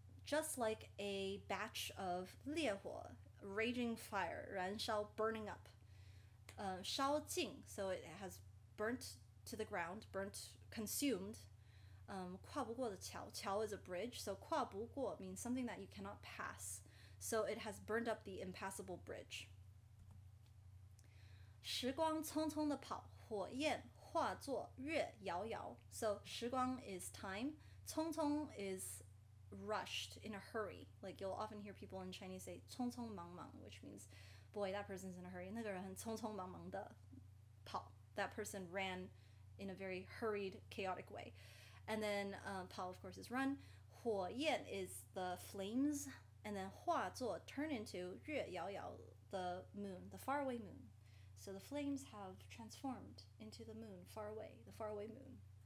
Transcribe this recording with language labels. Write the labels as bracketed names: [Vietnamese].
[English] just like a batch of 烈火, raging fire, 燃烧, burning up. 烧尽, so it has burnt to the ground, burnt, consumed. 跨不过的桥, 桥 is a bridge, so 跨不过 means something that you cannot pass. So it has burned up the impassable bridge. [Chinese] 时光匆匆地跑,火焰化作月遥遥。 [English] So 时光 is time, 匆匆 is rushed, in a hurry. Like you'll often hear people in Chinese say 匆匆忙忙, which means, boy, that person's in a hurry. [Chinese] 那个人很匆匆忙忙地跑。 [English] That person ran in a very hurried, chaotic way. And then 跑, of course, is run. 火焰 is the flames. And then 化作 turn into 月遥遥, the moon, the faraway moon. So the flames have transformed into the moon, far away, the faraway moon.